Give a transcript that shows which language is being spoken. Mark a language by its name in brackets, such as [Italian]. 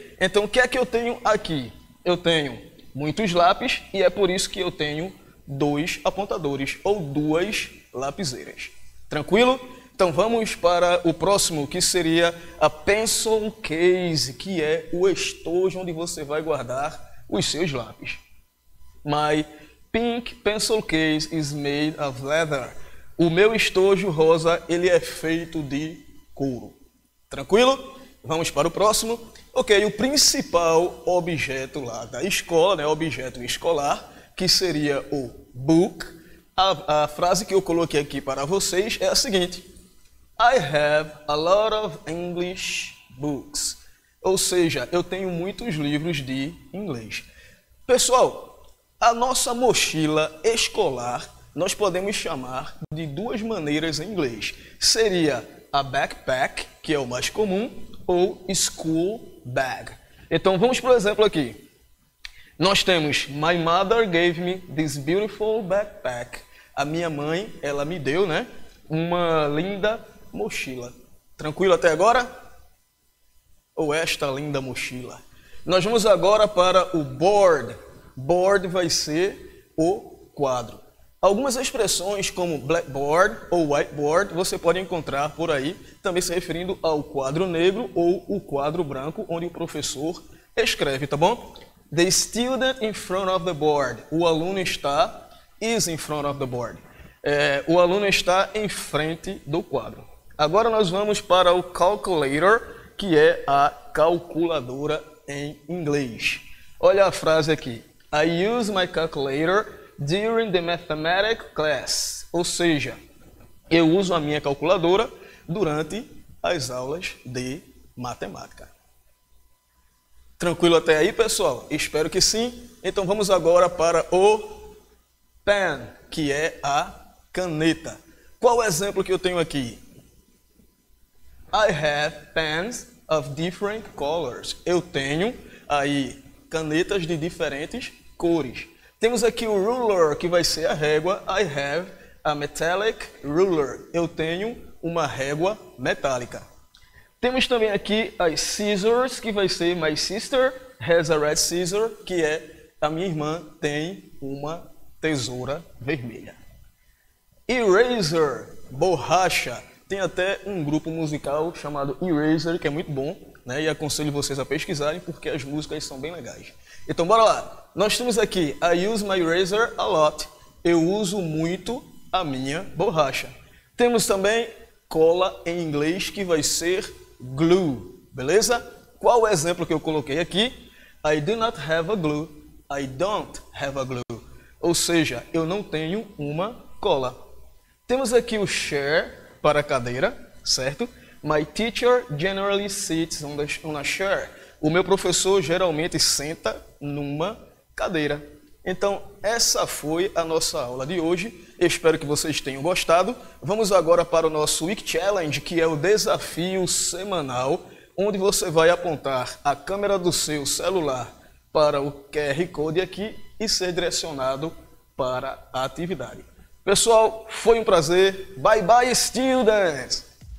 [Portuguese] Então, o que é que eu tenho aqui? Eu tenho muitos lápis e é por isso que eu tenho dois apontadores ou duas lapiseiras. Tranquilo? Então, vamos para o próximo, que seria a pencil case, que é o estojo onde você vai guardar os seus lápis. [English] My pink pencil case is made of leather. [Portuguese] O meu estojo rosa, ele é feito de couro. Tranquilo? Vamos para o próximo. Ok, o principal objeto lá da escola, né, objeto escolar, que seria o book. A frase que eu coloquei aqui para vocês é a seguinte. [English] I have a lot of English books. [Portuguese] Ou seja, eu tenho muitos livros de inglês. Pessoal, a nossa mochila escolar, nós podemos chamar de duas maneiras em inglês. Seria a backpack, que é o mais comum, ou school bag. Então, vamos para o exemplo aqui. Nós temos, [English] my mother gave me this beautiful backpack. [Portuguese] A minha mãe, ela me deu, né, uma linda mochila. Tranquilo até agora? Ou esta linda mochila? Nós vamos agora para o board. Board vai ser o quadro. Algumas expressões como blackboard ou whiteboard você pode encontrar por aí, também se referindo ao quadro negro ou o quadro branco onde o professor escreve, tá bom? [English] The student in front of the board. [Portuguese] O aluno está, [English] is in front of the board. [Portuguese] O aluno está em frente do quadro. Agora nós vamos para o calculator, que é a calculadora em inglês. Olha a frase aqui. [English] I use my calculator during the mathematics class. [Portuguese] Ou seja, eu uso a minha calculadora durante as aulas de matemática. Tranquilo até aí, pessoal? Espero que sim. Então, vamos agora para o pen, que é a caneta. Qual o exemplo que eu tenho aqui? [English] I have pens of different colors. [Portuguese] Eu tenho aí canetas de diferentes cores. Temos aqui o ruler, que vai ser a régua. [English] I have a metallic ruler. [Portuguese] Eu tenho uma régua metálica. Temos também aqui as scissors, que vai ser [English] my sister has a red scissor, [Portuguese] que é a minha irmã tem uma tesoura vermelha. Eraser, borracha. Tem até um grupo musical chamado Eraser, que é muito bom, né? E aconselho vocês a pesquisarem, porque as músicas são bem legais. Então, bora lá. Nós temos aqui, [English] I use my eraser a lot. [Portuguese] Eu uso muito a minha borracha. Temos também cola em inglês, que vai ser glue. Beleza? Qual o exemplo que eu coloquei aqui? [English] I do not have a glue. I don't have a glue. [Portuguese] Ou seja, eu não tenho uma cola. Temos aqui o chair para cadeira, certo? [English] My teacher generally sits on a chair. [Portuguese] O meu professor geralmente senta numa cadeira. Então, essa foi a nossa aula de hoje. Espero que vocês tenham gostado. Vamos agora para o nosso Week Challenge, que é o desafio semanal, onde você vai apontar a câmera do seu celular para o QR Code aqui e ser direcionado para a atividade. Pessoal, foi um prazer. [English] Bye, bye, students!